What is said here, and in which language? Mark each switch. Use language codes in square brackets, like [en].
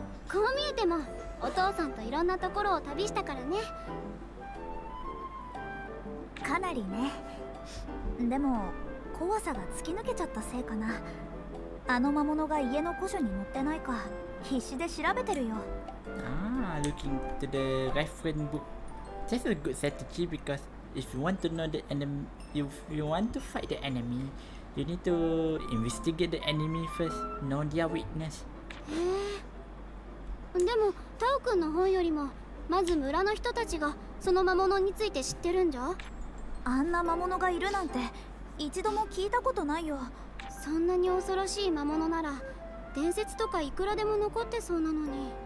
[ja] こう見えてもお父さんといろんなところを旅したからね。かなりね。でも怖さが突き抜けちゃったせいかな、あの魔物が家の古書に載ってないか必死で調べてるよ。 [en] Looking to the reference book. That's a good strategy becauseIf you want to know the enemy, if you want to fight the enemy, you need to investigate the enemy first, know their weakness. [ja] でも、タオ君の本よりも、まず村の人たちがその魔物について知ってるんじゃ？あんな魔物がいるなんて、一度も聞いたことないよ。そんなに恐ろしい魔物なら、伝説とかいくらでも残ってそうなのに。